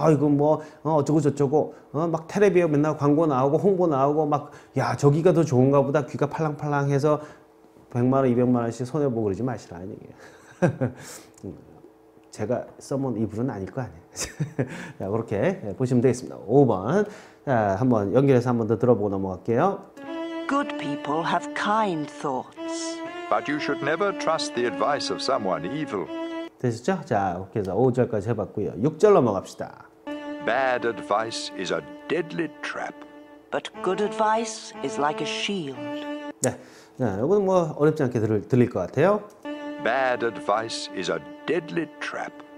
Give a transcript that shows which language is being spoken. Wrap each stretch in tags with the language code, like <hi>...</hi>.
<ko>이거 뭐 어쩌고저쩌고 막 텔레비에 맨날 광고 나오고 홍보 나오고 막 야 저기가 더 좋은가 보다 귀가 팔랑팔랑 해서 100만원, 200만원씩 손해보고 그러지 마시라는 얘기예요. 제가 써본 이불은 아닐 거 아니에요. 자, 그렇게 보시면 되겠습니다. 5번. 자, 한번 연결해서 한번 더 들어보고 넘어갈게요.</ko> <en>Good people have kind thoughts. But you should never trust the advice of someone evil.</en> <ko>됐죠? 자, 이렇게 해서 5절까지 해봤고요. 6절 넘어갑시다.</ko> <en>Bad advice is a deadly trap. But good advice is like a shield.</en> <ko>네, 이건 뭐 어렵지 않게 들릴 것 같아요.</ko> <en>Bad advice is a deadly trap.</en>